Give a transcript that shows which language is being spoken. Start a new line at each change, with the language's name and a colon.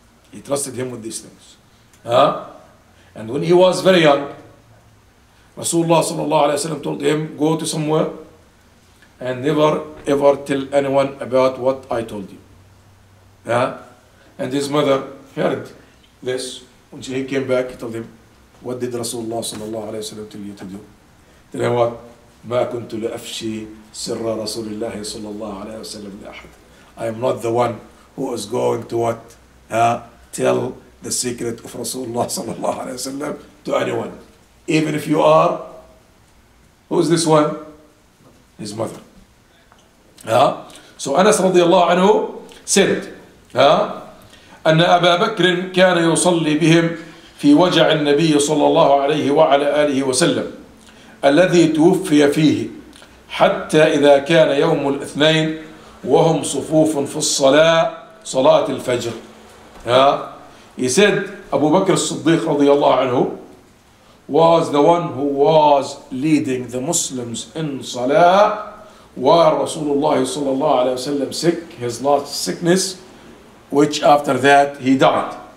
English: He trusted him with these things. And when he was very young, Rasulullah sallallahu alayhi wa sallam told him, go to somewhere and never ever tell anyone about what I told you. And his mother heard this. When he came back, he told him, what did Rasulullah sallallahu alayhi wa sallam tell you to do? Tell him what?
Arabic: ما كنت لأفشي سر رسول الله صلى الله عليه وسلم لأحد.
English: I am not the one who is going to what? Tell the secret of Rasulullah
Arabic: صلى الله عليه وسلم
English: to anyone. Even if you are, who is this one? His mother. So Anas
Arabic: رضي الله عنه said, أن أبا بكر كان يصلي بهم في وجع النبي صلى الله عليه وعلى آله وسلم الذي توفي فيه حتى إذا كان يوم الاثنين وهم صفوف في الصلاة صلاة الفجر.
English: He said, أبو بكر الصديق رضي الله عنه was the one who was leading the Muslims in صلاة
Arabic: ورسول الله صلى الله عليه وسلم
English: sick, his last sickness, which after that he died.